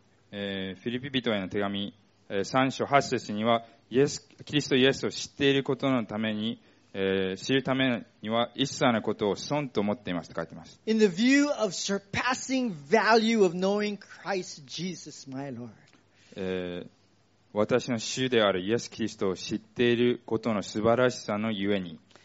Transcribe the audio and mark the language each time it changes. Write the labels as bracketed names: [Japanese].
[Japanese] フィリピ人への手紙、3章8節には、イエス、キリストイエスを知っていることのために、知るためには一切のことを損と思っていますと書いてます。 [English] In the view of surpassing value of knowing Christ Jesus, my Lord. [Japanese] 私の主であるイエス・キリストを知っていることの素晴らしさのゆえに。